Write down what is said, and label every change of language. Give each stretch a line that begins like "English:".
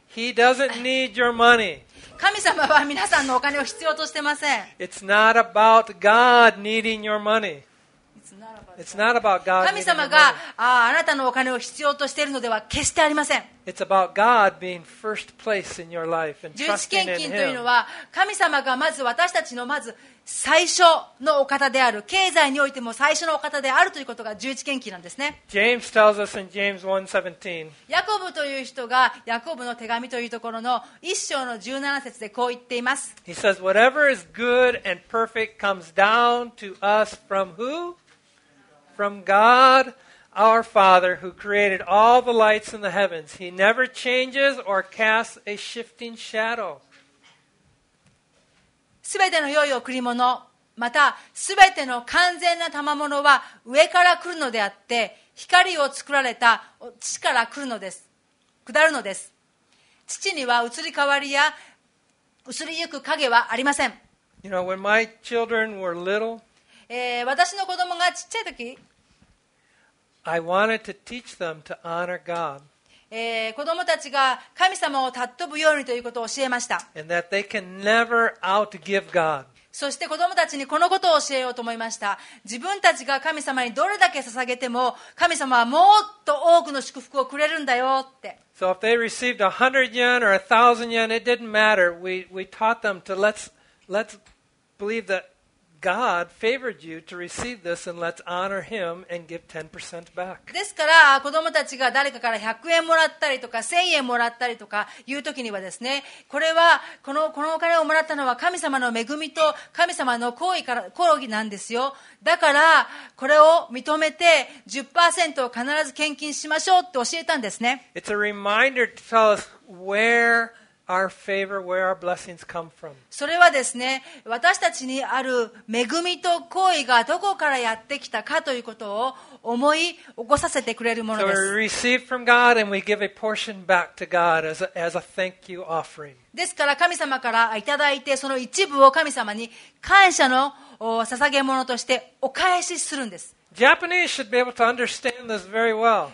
English: He doesn't need your money.
Japanese: 神様は皆さんのお金を必要としてません。
English: It's not about God needing your money. It's not about God.
Japanese: 神様が あなたのお金を必要としているのでは決してありません。
English: It's about God being first place in your life and trusting in Him.
Japanese: 十一献金というのは神様がまず私たちのまず最初のお方である、経済においても最初のお方であるということが十一献金なんですね。
English: James tells us in James 1:17.
Japanese: ヤコブという人がヤコブの手紙というところの一章の17節でこう言っています。
English: He says, "Whatever is good and perfect comes down to us from who? From God, our Father, who created all the lights in the heavens. He never changes or casts a shifting shadow.
Japanese: すべての良い贈り物、またすべての完全な賜物は上から来るのであって、光を作られた父から来るのです。下るのです。父には移り変わりや移りゆく影はありません。
English: You know, when my children were little,
Japanese: 私の子供がちっちゃい時、
English: I wanted to teach them to honor God.
Japanese: 子供たちが神様を尊ぶようにということを教えました。
English: And that they can never outgive God.
Japanese: そして子供たちにこのことを教えようと思いました。自分たちが神様にどれだけ捧げても、神様はもっと多くの祝福をくれるんだよって。
English: So if they received 100 yen or 1000 yen, it didn't matter. We taught them to let's believe that God favored you to receive this and let's honor him and give 10% back.
Japanese: ですから子供たちが誰かから100円もらったりとか1000円もらったりとかいうときにはですね、これはこのお金をもらったのは神様の恵みと神様の好意なんですよ。だからこれを認めて 10% を必ず献金しましょうって教えたんですね。
English: It's a reminder to tell us whereOur favor, where our blessings come from.
Japanese: それはですね、私たちにある恵みと好意がどこからやってきたかということを思い起こさせてくれるものです。
English: So we receive from God and we give a portion back to God as a thank you offering.
Japanese: ですから神様からいただいてその一部を神様に感謝の捧げ物としてお返しするんです。
English: Japanese should be able to understand this very well.